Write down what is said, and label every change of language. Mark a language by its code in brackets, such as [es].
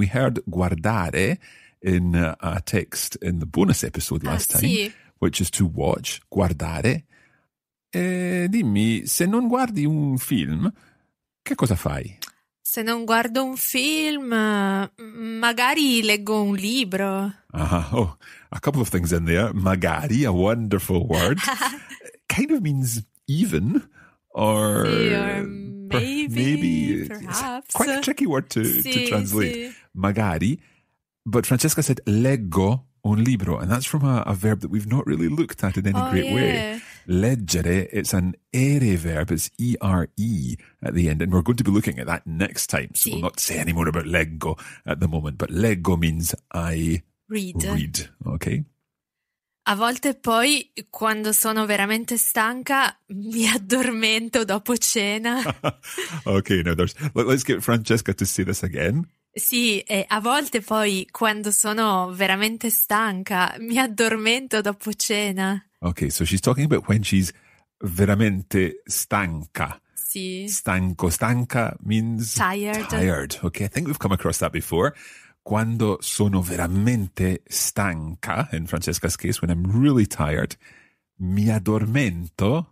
[en] We heard guardare in a text in the bonus episode last time, which is to watch, guardare. [it] E dimmi, se non guardi un film, che cosa fai? Se non guardo un film, magari leggo un libro. [en] Oh, a couple of things in there. Magari, a wonderful word, kind of means even. Or maybe, perhaps. Quite a tricky word to translate. Sì. Magari. But Francesca said, [it] leggo un libro. [en] And that's from a verb that we've not really looked at in any way. Leggere, it's an ere verb. It's E-R-E at the end. And we're going to be looking at that next time. So [it] sì. [en] We'll not say any more about leggo at the moment. But leggo means I read. Okay. [it] A volte poi, quando sono veramente stanca, mi addormento dopo cena. [en] Ok, now let's get Francesca to say this again. [it] Sì, e a volte poi, quando sono veramente stanca, mi addormento dopo cena. [en] Ok, so she's talking about when she's [it] veramente stanca. Sì. [en] Stanco, stanca means tired. Ok, I think we've come across that before. [it] Quando sono veramente stanca, [en] in Francesca's case, when I'm really tired, [it] mi addormento